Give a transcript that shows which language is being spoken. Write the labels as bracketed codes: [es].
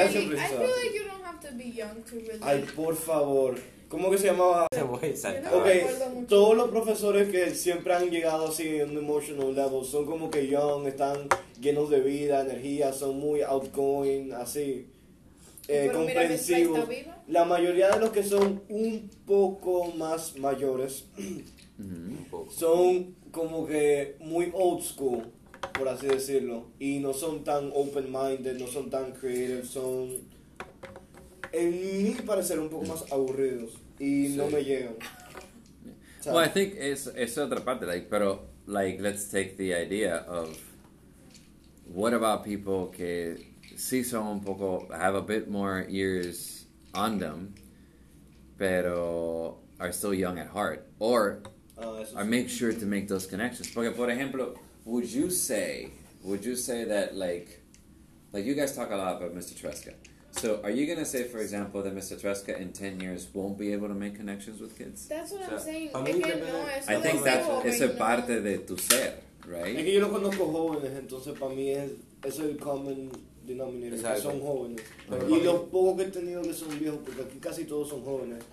[en] I feel like you don't have to be young to really... [es] Ay, por favor. ¿Cómo que se llamaba? Te voy a saltar. Ok, todos los profesores que siempre han llegado así en un emotional level son como que young, están llenos de vida, energía, son muy outgoing, así, comprensivos. La mayoría de los que son un poco más mayores son como que muy old school, por así decirlo, y no son tan open-minded, no son tan creative, son... En mi parecer un poco más aburridos y sí. No me llegan. [en] Yeah. Well, I think [es] es otra parte, [en] like, pero, like, let's take the idea of what about people [es] que sí son un poco, [en] have a bit more years on them, pero are still young at heart, or [es] Sí. [en] Make sure to make those connections. [es] Porque, por ejemplo, [en] would you say that, like, you guys talk a lot about Mr. Tresca. So, are you going to say, for example, that Mr. Tresca in 10 years won't be able to make connections with kids? That's what I'm saying. I think that's [es] es a parte de tu ser, [en] right? [es] Es que yo los conozco jóvenes, entonces para mí es el common denominator, [en] exactly. [es] Que son jóvenes. Mm-hmm. Y los pocos que he tenido que son viejos, porque aquí casi todos son jóvenes.